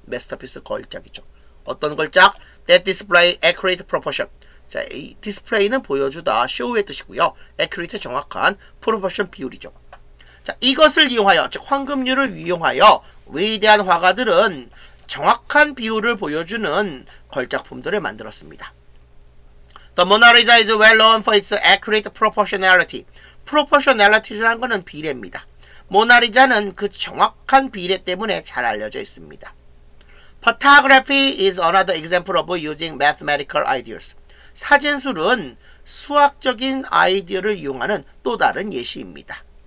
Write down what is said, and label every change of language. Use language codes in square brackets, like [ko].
[en] Masterpiece, [ko] 걸작이죠. 어떤 걸작? [en] That display accurate proportion. [ko] 자, 이 display는 보여주다, show의 뜻이고요. Accurate, 정확한 proportion 비율이죠. 자, 이것을 이용하여, 즉 황금률을 이용하여 위대한 화가들은 정확한 비율을 보여주는 걸작품들을 만들었습니다. [en] The Mona Lisa is well known for its accurate proportionality. [ko] Proportionality라는 것은 비례입니다. 모나리자는 그 정확한 비례 때문에 잘 알려져 있습니다. [en] Photography is another example of using mathematical ideas. [ko] 사진술은 수학적인 아이디어를 이용하는 또 다른 예시입니다.